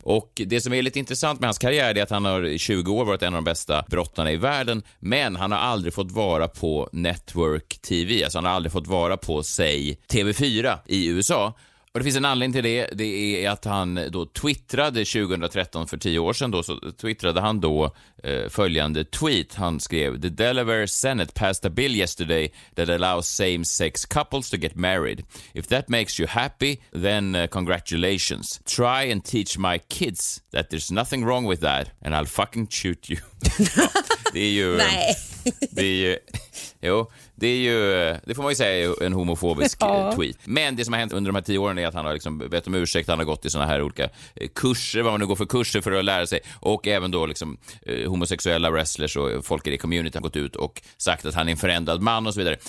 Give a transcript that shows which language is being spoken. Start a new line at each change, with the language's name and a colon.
Swedish: Och det som är lite intressant med hans karriär är att han har i 20 år varit en av de bästa brottarna i världen, men han har aldrig fått vara på Network TV. Alltså han har aldrig fått vara på, säg, TV4 i USA. Och det finns en anledning till det. Det är att han då twittrade 2013, för 10 år sedan då, så twittrade han då följande tweet. Han skrev:
English: "The Delaware Senate passed a bill yesterday that allows same-sex couples to get married. If that makes you happy, then congratulations. Try and teach my kids that there's nothing wrong with that and I'll fucking shoot you."
Swedish: Ja, det är ju... Nej. Det är ju... Jo. Det är ju, det får man ju säga, en homofobisk tweet. Men det som har hänt under de här 10 åren är att han har liksom bett om ursäkt. Han har gått i såna här olika kurser, vad man nu går för kurser för att lära sig. Och även då liksom homosexuella wrestlers och folk i det community har gått ut och sagt att han är en förändrad man och så vidare.